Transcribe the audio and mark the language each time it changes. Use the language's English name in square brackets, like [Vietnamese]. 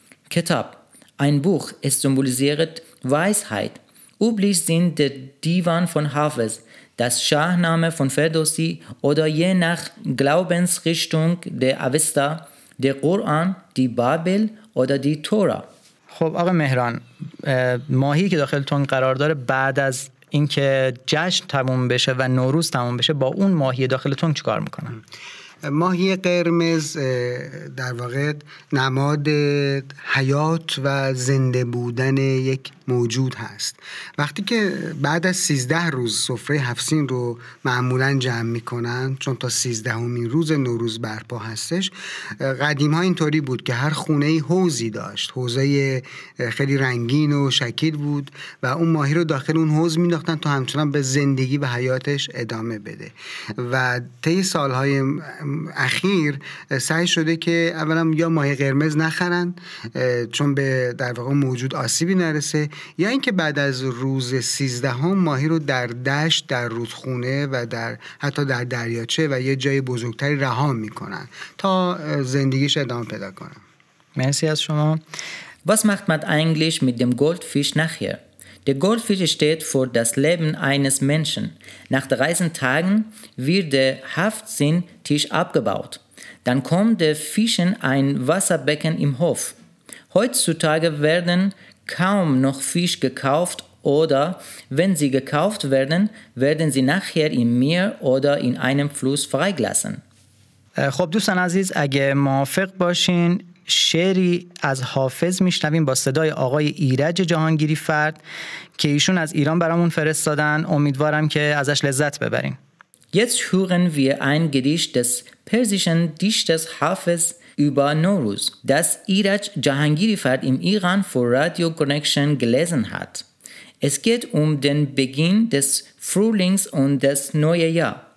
[German] Ketab, ein Buch, es symbolisiert Weisheit. Üblich sind der Divan von Hafez, das Shahname von Ferdowsi oder je nach Glaubensrichtung der Avesta, der Koran, die Babel oder die Tora. [Persian] خب آقا مهران، ماهی که داخل تون قرار داره بعد از اینکه جشن تموم بشه و نوروز تموم بشه با اون ماهی داخل تون چیکار میکنن؟ ماهی قرمز در واقع نماد حیات و زنده بودن یک موجود هست. وقتی که بعد از 13 روز سفره هفت سین رو معمولا جمع میکنن، چون تا 13 روز نوروز برپا هستش، قدیم ها اینطوری بود که هر خونه حوضی داشت، حوضه خیلی رنگین و شکیل بود و اون ماهی رو داخل اون حوض مینداختن تا همچنان به زندگی و حیاتش ادامه بده. و طی سالهای اخیر سعی شده که اولا یا ماهی قرمز نخرن چون به در واقع موجود آسیبی نرسه، یا اینکه بعد از روز 13 ماهی رو در دشت، در رودخونه و در حتی در دریاچه و یه جای بزرگتری رها میکنن تا زندگیش ادامه پیدا کنن. مرسی از شما. [German] Was macht man eigentlich mit dem Goldfisch nachher? Der Goldfisch steht für das Leben eines Menschen. Nach 13 Tagen wird der Haftsinn-Tisch abgebaut. Dann kommt der Fischen ein Wasserbecken im Hof. Heutzutage werden kaum noch Fisch gekauft oder wenn sie gekauft werden, werden sie nachher im Meer oder in einem Fluss freigelassen. [Persian] خب دوستان عزیز، اگه موافق باشین شعری از حافظ میشنویم با صدای آقای ایرج جهانگیری فرد که ایشون از ایران برامون فرستادن. امیدوارم که ازش لذت ببریم. [German] Jetzt hören wir ein Gedicht des persischen Dichters Hafez über Nowruz, das Iraj Jahangirifat im Iran für Radio Connection gelesen hat. Es geht um den Beginn des Frühlings und des neuen Jahr.